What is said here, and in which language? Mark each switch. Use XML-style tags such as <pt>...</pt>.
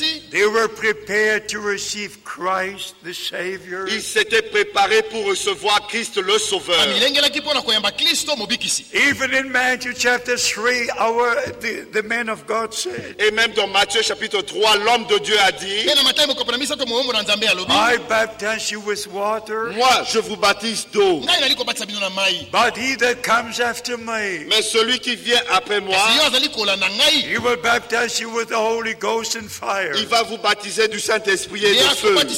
<en>They were prepared to receive Christ the Savior.</en> <fr>Ils s'étaient préparés pour recevoir Christ le Sauveur.</fr> <en>Even in Matthew chapter 3, the man of God said,</en> <fr>et même dans Matthieu chapitre 3, l'homme de Dieu a dit,</fr> <en>I baptize you with water.</en> <fr>Moi, je vous baptise d'eau.</fr> <en>But he that comes after me,</en> <fr>mais celui qui vient après moi,</fr> <en>he will baptize you with the Holy Ghost and fire.</en> <fr>Il va vous baptiser du Saint-Esprit et de feu.</fr>